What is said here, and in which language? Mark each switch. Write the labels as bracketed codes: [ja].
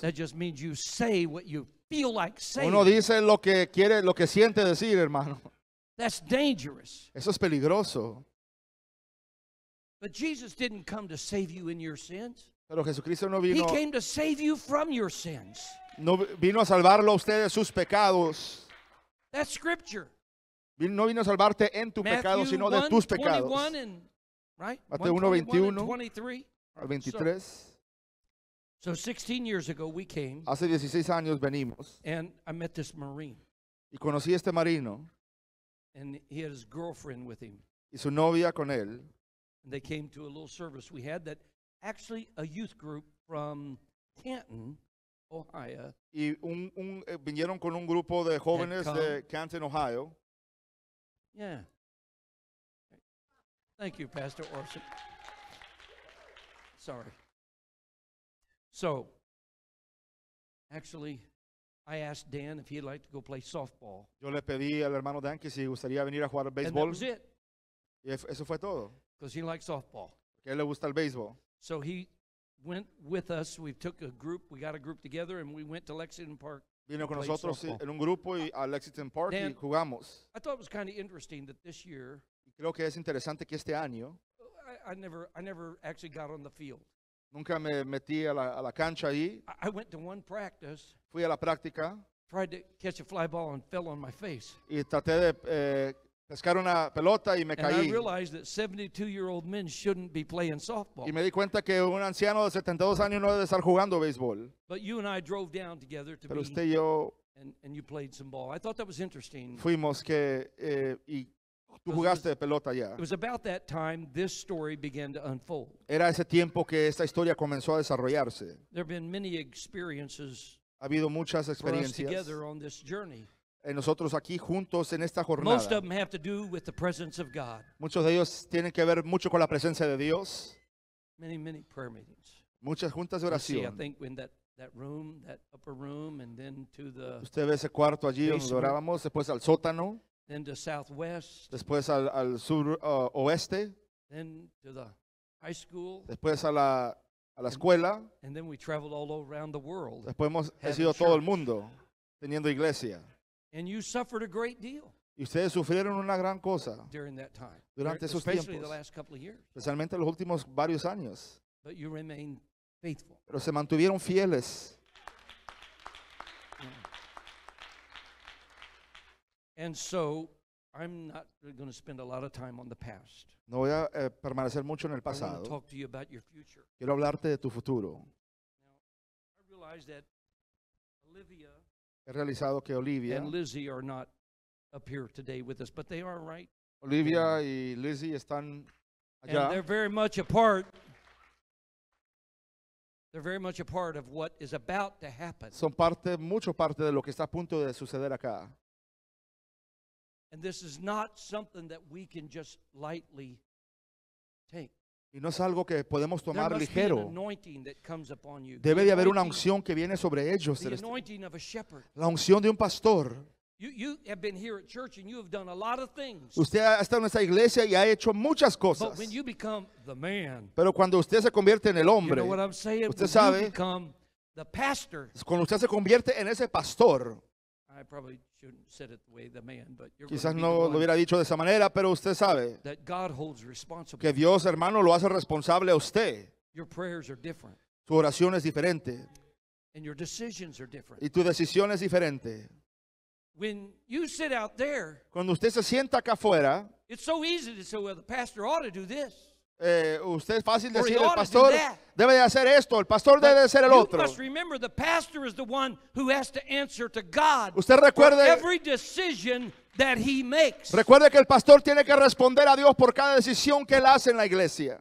[en] That just means you say what you feel like saying. [es] Uno dice lo que quiere, lo que siente decir, hermano. [en] That's dangerous. [es] Eso es peligroso. [en] But Jesus didn't come to save you in your sins. [es] Pero Jesucristo no vino. [en] He came to save you from your sins. [es] No vino a salvarlo a usted de sus pecados. [en] That's scripture. [es] No vino a salvarte en tu pecado, sino de tus pecados. [en] Matthew 1, 21 and, right? [es] Mateo 1, 21 [en] and 23. [es] Al 23. [en] So 16 years ago we came. [es] Hace 16 años venimos. [en] And I met this Marine. [es] Y conocí este marino. [en] And he had his girlfriend with him. [es] Y su novia con él. [en] And they came to a little service we had that actually a youth group from Canton, Ohio. [es] Y un vinieron con un grupo de jóvenes de Canton, Ohio. [en] Yeah. Thank you, Pastor Orson. Sorry. So, actually, I asked Dan if he'd like to go play softball. [es] Yo le pedí al hermano Dan que si gustaría venir a jugar béisbol. [en] And that was it. [es] Y eso fue todo. [en] Because he likes softball. [es] Porque él le gusta el béisbol. [en] So he went with us. We took a group. We got a group together, and we went to Lexington Park. [es] Vino con nosotros softball. En un grupo y a Lexington Park [en] Dan, [es] y jugamos. [en] I thought it was kind of interesting that this year. [es] Y creo que es interesante que este año. [en] I never actually got on the field. [es] Nunca me metí a la cancha ahí. [en] I went to one practice. [es] Fui a la práctica. [en] Tried to catch a fly ball and fell on my face. [es] Y traté de pescar una pelota y me [en] and [es] caí. [en] I realized that 72-year-old men shouldn't be playing softball. [es] Y me di cuenta que un anciano de 72 años no debe estar jugando béisbol. [en] But you and I drove down together to [es] pero [en] be. [es] Usted y yo [en] and you played some ball. I thought that was interesting. [es] Fuimos que y tú jugaste de pelota ya. [en] It was about that time this story began to unfold. [es] Era ese tiempo que esta historia comenzó a desarrollarse. [en] There have been many experiences. [es] Ha habido muchas experiencias. [en] For us together on this journey. [es] En nosotros aquí juntos en esta jornada. [en] Most of them have to do with the presence of God. [es] Muchos de ellos tienen que ver mucho con la presencia de Dios. [en] Many, many prayer meetings. [es] Muchas juntas de oración. [en] See, I think when that room, that upper room, and then to the. [es] Usted ve ese cuarto allí donde orábamos, después al sótano. [en] Then to southwest. [es] Después al sur oeste. [en] Then to the high school. [es] Después a la escuela. [en] And then we traveled all around the world. [es] Después hemos sido todo el mundo teniendo iglesia. [en] And you suffered a great deal. [es] Y ustedes sufrieron una gran cosa. [en] During that time. [es] Durante esos [en] especially [es] tiempos. [en] Especially the last couple of years. [es] Especialmente los últimos varios años. [en] But you remained faithful. [es] Pero se mantuvieron fieles. [en] And so I'm not going to spend a lot of time on the past. [es] No voy a permanecer mucho en el pasado. [en] I want to talk to you about your future. [es] Quiero hablarte de tu futuro. [en] Now, I realize that Olivia [es] he realizado que Olivia [en] and Lizzie are not up here today with us, but they are right. [es] Olivia y Lizzie están allá. [en] And they're very much a part. They're very much a part of what is about to happen. [es] Son parte, mucho parte de lo que está a punto de suceder acá. [en] And this is not something that we can just lightly take. [es] Y no es algo que podemos tomar ligero. [en] An anointing that comes upon you. [es] Debe de haber una unción que viene sobre ellos. [en] The anointing of a shepherd. [es] La unción de un pastor. [en] You have been here at church and you have done a lot of things. [es] Usted ha estado en esta iglesia y ha hecho muchas cosas. [en] But when you become the man. [es] Pero cuando usted se convierte en el hombre. [en] You know what I'm saying? [es] Usted [en] when [es] sabe. [en] You become the pastor. [es] Cuando usted se convierte en ese pastor. [en] I probably shouldn't have said it the way the man, but you're [es] quizás no lo hubiera dicho de esa manera, pero usted sabe [en] that God holds responsible. [es] Que Dios, hermano, lo hace responsable a usted. [en] Your prayers are different. [es] Su oración es diferente. [en] And your decisions are different. [es] Y tu decisión es diferente. [en] When you sit out there, [es] cuando usted se sienta acá afuera, [en] it's so easy to say, well, the pastor ought to do this. [es] Usted es fácil decir el pastor debe de hacer esto, el pastor debe de ser el otro. [en] You must remember the pastor is the one who has to answer to God. [es] Usted recuerde [en] for every decision that he makes. [es] Recuerde que el pastor tiene que responder a Dios por cada decisión que él hace en la iglesia.